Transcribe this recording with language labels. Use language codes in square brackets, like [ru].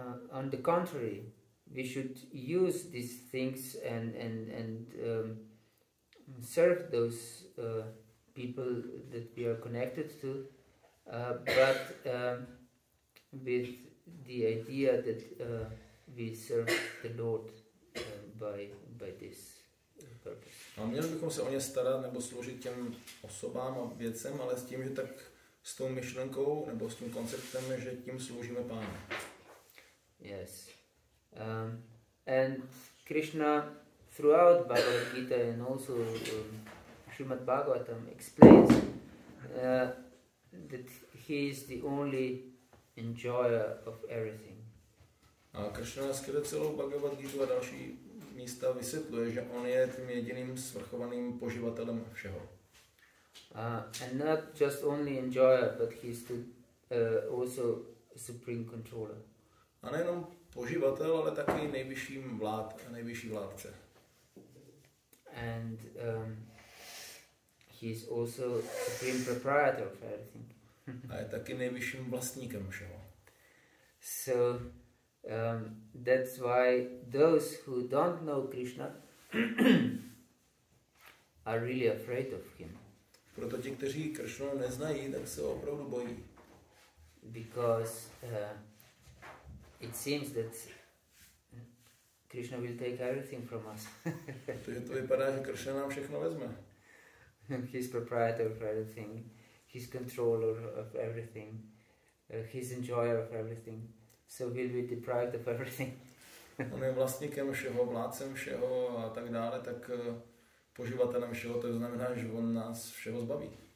[en] On the contrary, we should use these things and serve those people that we are connected to, but with the idea that we serve the Lord by this purpose. [cs] A měli bychom se o ně starat nebo sloužit těm osobám a věcem, ale s tím, že tak s tou myšlenkou nebo s tím konceptem, že tím sloužíme Pánu. [en] Yes. And Krishna throughout Bhagavad Gita and also Srimad Bhagavatam explains that he is the only enjoyer of everything. [cs] A Krishna skrze celou Bhagavad Gita a další místa vysvětluje, že on je tím jediným svrchovaným poživatelem všeho. [en] And not just only enjoyer, but he is also supreme controller. [cs] A nejenom poživatel, ale taky nejvyšší vládce. [en] And he is also supreme proprietor of everything. [cs] A je taky nejvyšším vlastníkem všeho. [en] So that's why those who don't know Krishna are really afraid of him. [cs] Proto ti, kteří Kršnu neznají, tak se ho opravdu bojí. [en] Because it seems that Krishna will take everything from us. [cs] Protože to vypadá, že Kršna nám všechno vezme. [en] He's proprietor of everything. He's controller of everything. He's enjoyer of everything. So he'll be deprived of everything. [cs] On je vlastníkem všeho, vládcem všeho a tak dále, tak poživatelem všeho, to znamená, že on nás všeho zbaví.